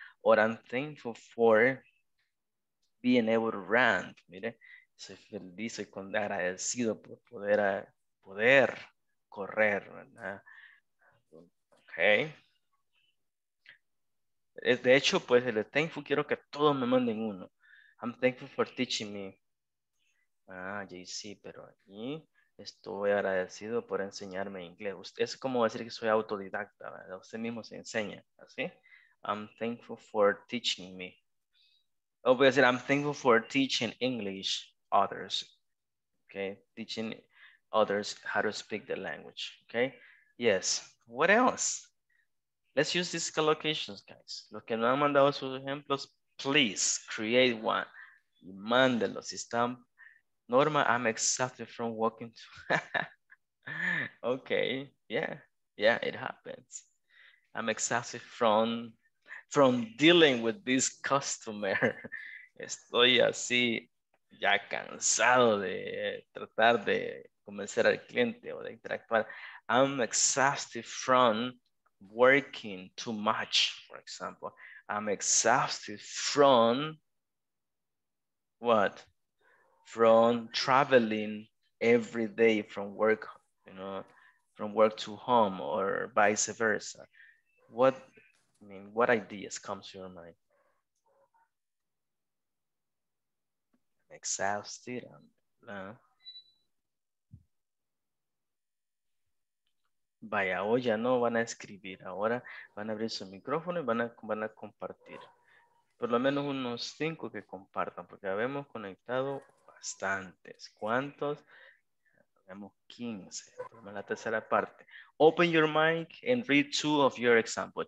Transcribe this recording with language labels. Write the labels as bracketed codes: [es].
[en] Or I'm thankful for being able to run. [es] Mire, soy feliz, soy agradecido por poder correr, ¿verdad? [en] Ok. [es] De hecho, pues el thankful quiero que todos me manden uno. [en] I'm thankful for teaching me. [es] Ah, JC, pero aquí estoy agradecido por enseñarme inglés. Es como decir que soy autodidacta, ¿verdad? Usted mismo se enseña, ¿así? [en] I'm thankful for teaching me. [es] O voy a decir, [en] I'm thankful for teaching English others. Okay, teaching others how to speak the language. Okay, yes. What else? Let's use these collocations, guys. [es] Los que no han mandado sus ejemplos, [en] please create one. [es] Y mándelos. Si están... [en] Norma, I'm exhausted from walking. To... okay, yeah, it happens. I'm exhausted from dealing with this customer. [es] Estoy así ya cansado de tratar de convencer al cliente o de interactuar. [en] I'm exhausted from working too much, for example. I'm exhausted from what? From traveling every day from work, you know, from work to home or vice versa. What, I mean, what ideas come to your mind? I'm exhausted. [es] Vaya, hoy ya no van a escribir. Ahora van a abrir su micrófono y van a compartir. Por lo menos unos 5 que compartan, porque habemos conectado bastantes. ¿Cuántos? Habemos 15. Por lo menos la tercera parte. [en] Open your mic and read 2 of your examples.